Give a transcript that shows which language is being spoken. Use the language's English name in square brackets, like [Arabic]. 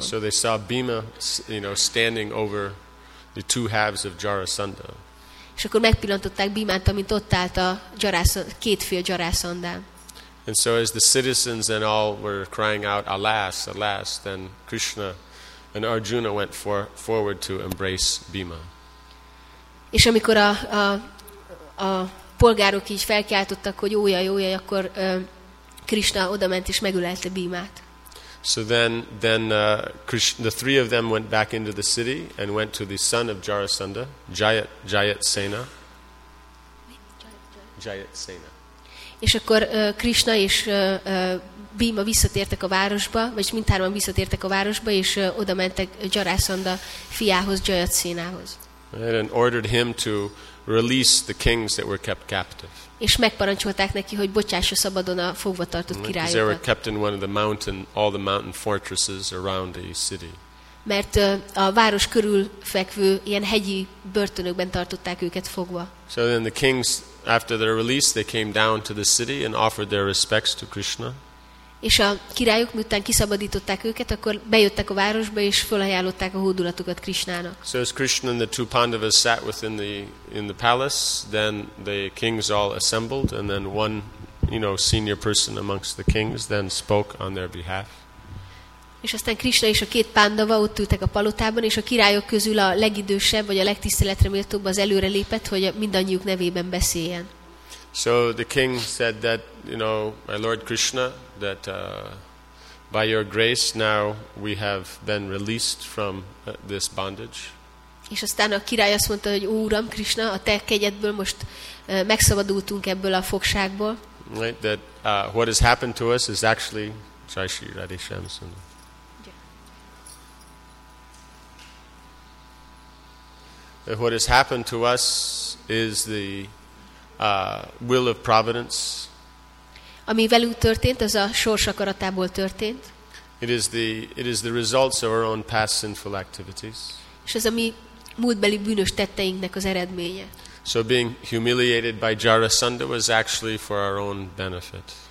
[English] So they saw Bhima, you know, standing over the two halves of Jarasandha. [Hungarian] És akkor megpillantották Bhimát, amint ott állt a két fél Jarasandhán. [English] And so as the citizens and all were crying out, alas, alas, then Krishna and Arjuna went forward to embrace Bhima. [Hungarian] És amikor a polgárok így felkiáltottak, hogy ójaj, akkor Krishna odament és megölelte Bhimát. [English] So the three of them went back into the city and went to the son of Jarasandha, Jayatsena. Jayatsena. [Hungarian] És akkor Krishna és Bhima visszatértek a városba, vagy mindhárman visszatértek a városba, és oda mentek Jarasandha fiához, Jayatsenához. [English] And ordered him to release the kings that were kept captive. [Hungarian] És megparancsolták neki, hogy bocsássa szabadon a fogva tartott királyokat. [English] They were kept in one of the mountain, all the mountain fortresses around the city. [Hungarian] Mert a város körül fekvő ilyen hegyi börtönökben tartották őket fogva. [English] So then the kings after their release, they came down to the city and offered their respects to Krishna. [Hungarian] És a királyok, miután kiszabadították őket, akkor bejöttek a városba és fölajánlották a hódulatukat Krishnának. [English] So as Krishna and the two Pandavas sat within the palace, then the kings all assembled, and then one, you know, senior person amongst the kings then spoke on their behalf. [Hungarian] És aztán Krishna és a két Pandava ott ültek a palotában, és a királyok közül a legidősebb, vagy a legtiszteletre méltóbb az előre lépett, hogy mindannyiuk nevében beszéljen. [English] So the king said that, you know, my lord Krishna, that by your grace now we have been released from this bondage. [Hungarian] És aztán a király azt mondta, hogy ó, Uram Krishna, a te kegyedből most megszabadultunk ebből a fogságból. [English] Right, that what has happened to us is actually [Hindi] Jai Shri Radhe Shyam Sundar. [English] What has happened to us is the will of providence. [Hungarian] Ami velünk történt, az a sors akaratából történt. [English] It is the results of our own past sinful activities. [Hungarian] És ez a mi múltbeli bűnös tetteinknek az eredménye. [English] So being humiliated by Jarasandha was actually for our own benefit.